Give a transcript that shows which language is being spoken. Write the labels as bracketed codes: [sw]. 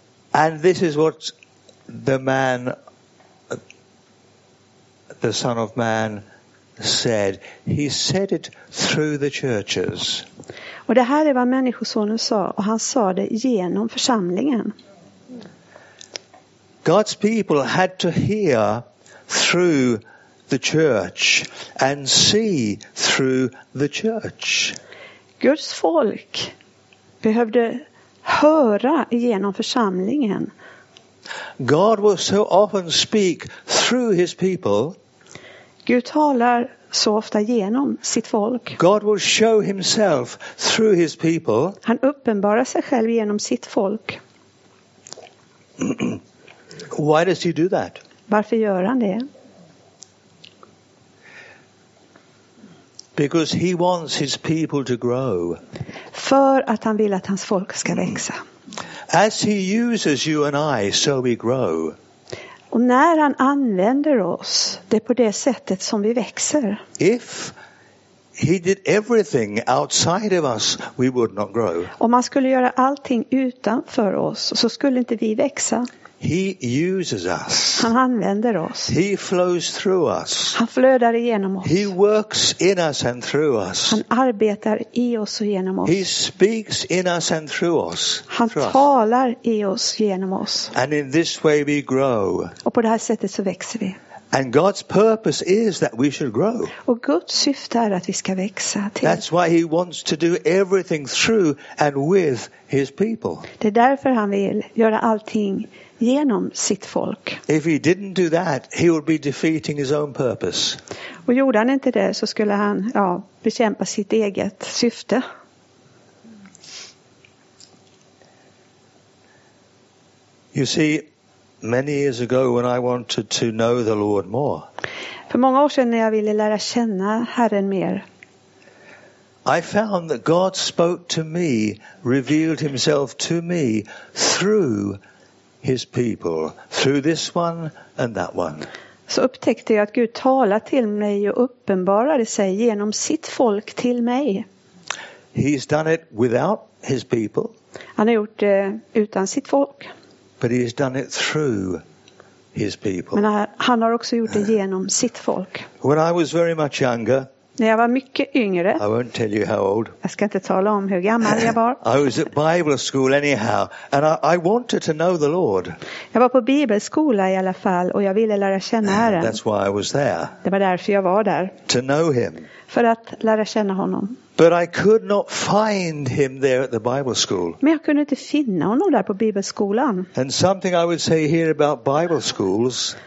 [en] And this is what the man, the Son of Man, said. He said it through the churches. [sv] Och det här är vad människosonen sa, och han sa det genom församlingen. [en] God's people had to hear through the church and see through the church. [sv] Guds folk behövde höra genom församlingen. [en] God will so often speak through his people. [sv] Gud talar så ofta genom sitt folk. [en] God will show himself through his people. [sv] Han uppenbarar sig själv genom sitt folk. [en] Why does he do that? [sv] Varför gör han det? [en] Because he wants his people to grow. [sv] För att han vill att hans folk ska växa. [en] As he uses you and I, so we grow. [sv] Och när han använder oss, det är på det sättet som vi växer. [en] If he did everything outside of us, we would not grow. [sv] Om han skulle göra allting utanför oss, så skulle inte vi växa. [en] He uses us. [sv] Han använder oss. [en] He flows through us. [sv] Han flödar igenom oss. [en] He works in us and through us. [sv] Han arbetar i oss och genom oss. [en] He speaks in us and through us. [sv] Han talar i oss genom oss. [en] And in this way we grow. [sv] Och på det här sättet så växer vi. [en] And God's purpose is that we should grow. [sv] Och Guds syfte är att vi ska växa till. [en] That's why he wants to do everything through and with his people. [sv] Det är därför han vill göra allting genom sitt folk. [en] If he didn't do that, he would be defeating his own purpose. [sv] Och gjorde han inte det, så skulle han ja, bekämpa sitt eget syfte. [en] You see, many years ago when I wanted to know the Lord more. [sv] För många år sedan när jag ville lära känna Herren mer. [en] I found that God spoke to me, revealed himself to me through his people, through this one and that one. [sv] Så upptäckte jag att Gud talade till mig och uppenbarade sig genom sitt folk till mig. [en] He's done it without his people. [sv] Han har gjort det utan sitt folk. [en] But he's done it through his people. [sv] Men han har också gjort det genom sitt folk. [en] When I was very much younger, [sv] när jag var mycket yngre. [en] I won't tell you how old. [sv] Jag ska inte tala om hur gammal jag var. [en] I was at Bible school anyhow, and I wanted to know the Lord. [sv] Jag var på bibelskola i alla fall, och jag ville lära känna Herren. [en] That's why I was there. [sv] Det var därför jag var där. [en] To know him. [sv] För att lära känna honom. [en] But I could not find him there at the Bible school. [sv] Men jag kunde inte finna honom där på bibelskolan. [en] And something I would say here about Bible schools.